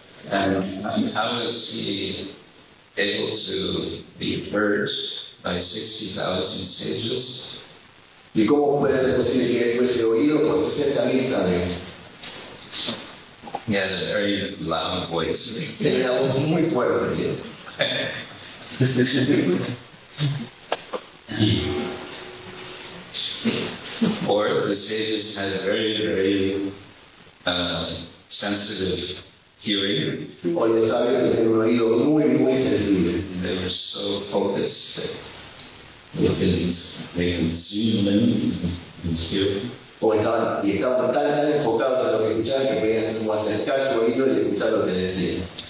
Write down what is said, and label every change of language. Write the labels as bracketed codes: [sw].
[en] And how is he able to be heard by 60,000 sages? [es] ¿Y cómo puede ser posible que él fuese oído por 60,000 sabios? [en] He had a very loud voice. [es] Tenía voz muy fuerte. [en] Or the sages had very, very sensitive hearing. [es] O los sabios tenían un oído muy, muy sensible. [en] They were so focused that they can see them and hear. [es] O estaban tan enfocados a lo que escuchaban que podían acercar su oído y escuchar lo que decían.